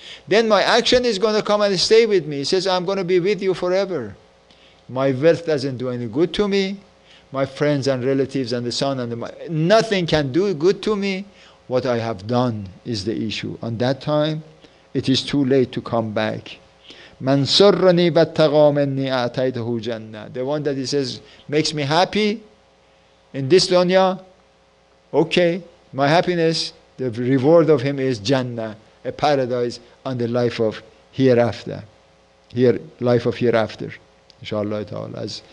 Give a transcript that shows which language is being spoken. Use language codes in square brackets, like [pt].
[en] Then my action is going to come and stay with me. He says, I'm going to be with you forever. My wealth doesn't do any good to me. my friends and relatives and the son and the nothing can do good to me. What I have done is the issue. On that time, it is too late to come back. [ar] من سرني واتقى مني أعطيته جنة. [en] The one that he says makes me happy in this dunya, okay, my happiness, the reward of him is Jannah, a paradise on the life of hereafter. Life of hereafter. Inshallah ta'ala.